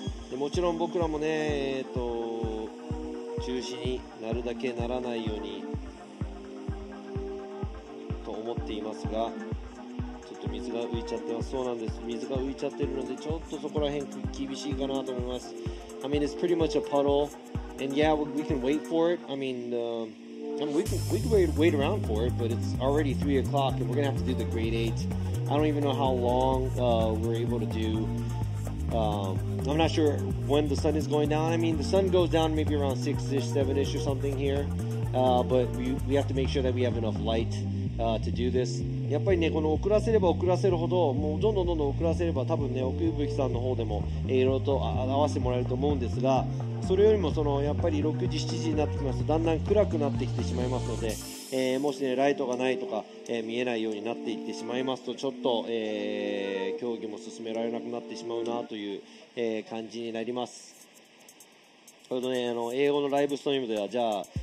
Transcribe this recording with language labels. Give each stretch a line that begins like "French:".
Japanese: でもちろん僕らもね、中止になるだけならないようにと思っていますが、ちょっと水が浮いちゃってます。そうなんです、水が浮いちゃってるので、ちょっとそこら辺厳しいかなと思います。
English: I mean, it's pretty much a puddle, and yeah, we can wait for it. I mean, we can wait around for it, but it's already 3 o'clock and we're gonna have to do the grade 8. I don't even know how long we're able to do. I'm not sure when the sun is going down. I mean, the sun goes down maybe around 6-ish, 7-ish or something here. But we have to make sure that we have enough light to do this.
Japanese: やっぱりね、この遅らせれば遅らせるほど、もうどんどんどんどん遅らせれば、多分ね、奥行きさんの方でもいろいろと合わせてもらえると思うんですが、それよりもそのやっぱり6時、7時になってきますと、だんだん暗くなってきてしまいますので、もしね、ライトがないとか、見えないようになっていってしまいますと、ちょっと、競技も進められなくなってしまうなという、感じになります。ちょうどね、英語のライブストリームでは、じゃあ、